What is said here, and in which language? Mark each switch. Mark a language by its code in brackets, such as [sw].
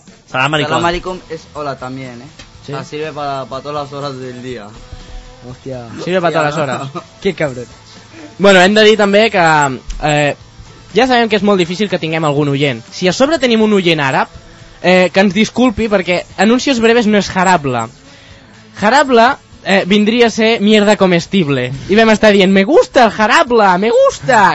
[es] Salam alaikum es hola también, ¿eh? Sí. Sirve para todas las horas del día. Hostia. Sirve para todas las horas. Qué cabrón. [ca] Bueno, hem de dir també que ja sabem que és molt difícil que tinguem algun oient. Si a sobre tenim un oient àrab, que ens disculpi perquè anuncios breves no és harable. Harable vindria a ser [es] mierda comestible. [ca] I vam estar dient, [es] me gusta el harable, me gusta.